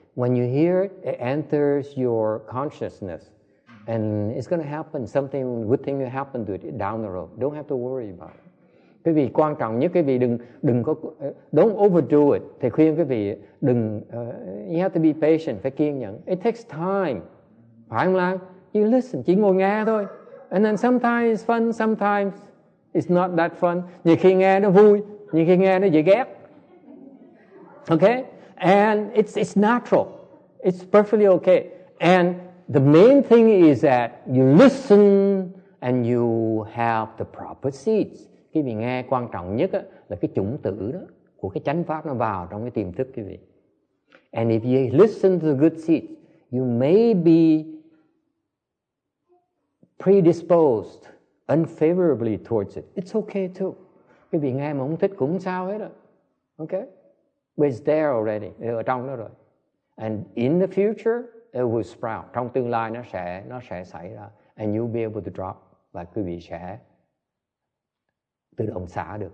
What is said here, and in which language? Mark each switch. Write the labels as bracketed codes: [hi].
[en] When you hear it, it enters your consciousness. And it's going to happen. Something good thing will happen to it down the road. Don't have to worry about it. [vi] Quý vị quan trọng nhất, quý vị đừng có, [en] don't overdo it. [vi] Thầy khuyên quý vị đừng, [en] you have to be patient, [vi] phải kiên nhẫn. [en] It takes time. [vi] Phải không Lan? [en] You listen, [vi] chỉ ngồi nghe thôi. [en] And then sometimes it's fun, sometimes it's not that fun. [vi] Nhiều khi nghe nó vui, nhiều khi nghe nó dễ ghét. [en] Okay? And it's natural. It's perfectly okay. And the main thing is that you listen and you have the proper seeds. [vi] Quý vị nghe quan trọng nhất á, là cái chủng tử đó của cái chánh pháp nó vào trong cái tiềm thức quý vị. [en] And if you listen to the good seeds, you may be predisposed unfavorably towards it. It's okay too. [vi] Quý vị nghe mà không thích cũng sao hết á. [en] Okay? But it's there already. It's [vi] ở trong đó rồi. [en] And in the future, it will sprout. [vi] Trong tương lai nó sẽ xảy ra. [en] And you'll be able to drop. [vi] Và quý vị sẽ tự động xả được.